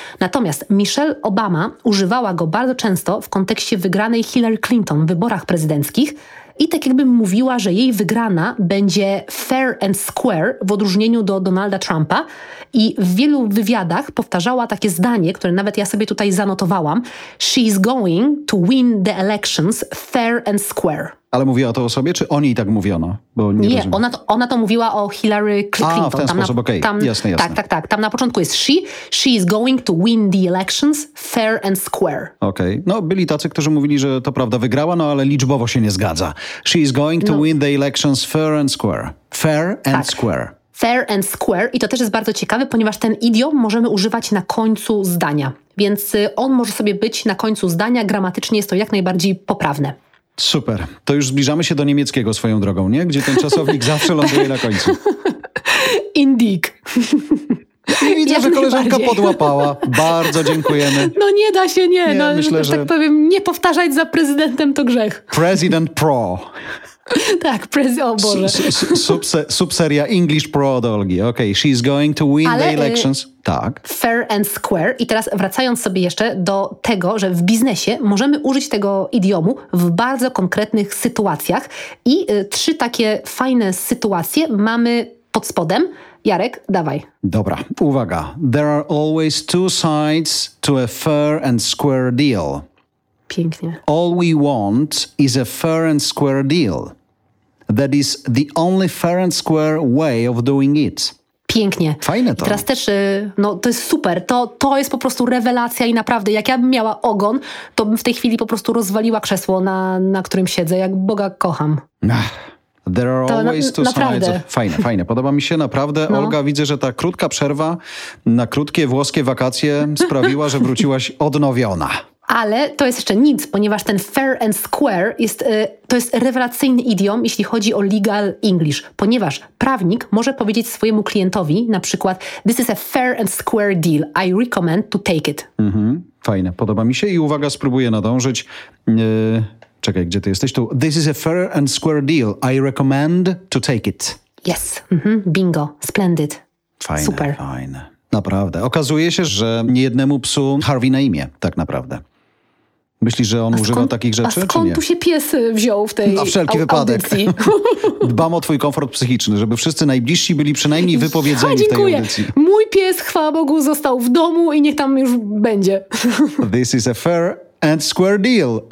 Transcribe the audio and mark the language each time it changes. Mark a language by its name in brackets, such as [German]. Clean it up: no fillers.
[Polish] Natomiast Michelle Obama używała go bardzo często w kontekście wygranej Hillary Clinton w wyborach prezydenckich i tak jakby mówiła, że jej wygrana będzie fair and square w odróżnieniu do Donalda Trumpa. I w wielu wywiadach powtarzała takie zdanie, które nawet ja sobie tutaj zanotowałam. [English] She's going to win the elections fair and square. [Polish] Ale mówiła to o sobie, czy o niej tak mówiono? Bo nie ona to mówiła o Hillary Clinton. A, w ten sposób, okej. Okay. Jasne, jasne. Tak, tak, tak. Tam na początku jest [English] she is going to win the elections fair and square. [Polish] Okej. Okay. No, byli tacy, którzy mówili, że to prawda wygrała, no ale liczbowo się nie zgadza. [English] She is going to win the elections fair and square. Fair and square. Fair and square. [Polish] I to też jest bardzo ciekawe, ponieważ ten idiom możemy używać na końcu zdania. Więc on może sobie być na końcu zdania. Gramatycznie jest to jak najbardziej poprawne. Super. To już zbliżamy się do niemieckiego swoją drogą, nie? Gdzie ten czasownik zawsze ląduje na końcu. Indeed. I widzę, że koleżanka podłapała. Bardzo dziękujemy. No nie da się, nie. No, myślę, że... Tak powiem, nie powtarzać za prezydentem to grzech. [English] President pro. [Polish] Tak, o Boże. Subseria English Pro do Olgi. [English] Okay, she's going to win the elections. [Polish] Tak. [English] Fair and square. [Polish] I teraz wracając sobie jeszcze do tego, że w biznesie możemy użyć tego idiomu w bardzo konkretnych sytuacjach. I trzy takie fajne sytuacje mamy pod spodem. Jarek, dawaj. Dobra, uwaga. [English] There are always two sides to a fair and square deal. [Polish] Pięknie. [English] All we want is a fair and square deal. That is the only fair and square way of doing it. [Polish] Pięknie. Fajne to. I teraz też, no to jest super. To jest po prostu rewelacja i naprawdę, jak ja bym miała ogon, to bym w tej chwili po prostu rozwaliła krzesło, na którym siedzę, jak Boga kocham. Ach. [English] There are always two sides. [Polish] Fajne, fajne. Podoba mi się naprawdę. No. Olga, widzę, że ta krótka przerwa na krótkie włoskie wakacje sprawiła, że wróciłaś odnowiona. Ale to jest jeszcze nic, ponieważ ten fair and square jest rewelacyjny idiom, jeśli chodzi o legal English, ponieważ prawnik może powiedzieć swojemu klientowi na przykład [English] this is a fair and square deal, I recommend to take it. [Polish] Mm-hmm. Fajne, podoba mi się i uwaga, spróbuję nadążyć. Czekaj, gdzie ty jesteś? Tu. [English] This is a fair and square deal, I recommend to take it. Yes, mm-hmm. Bingo, splendid. [Polish] Fajne, super. Fajne. Naprawdę. Okazuje się, że niejednemu psu Harvey na imię, tak naprawdę. Myślisz, że on używa takich rzeczy, czy nie? A skąd tu się pies wziął w tej audycji? Na wszelki wypadek. Dbam o twój komfort psychiczny, żeby wszyscy najbliżsi byli przynajmniej wypowiedzeni w tej audycji. Mój pies, chwała Bogu, został w domu i niech tam już będzie. [English] This is a fair and square deal.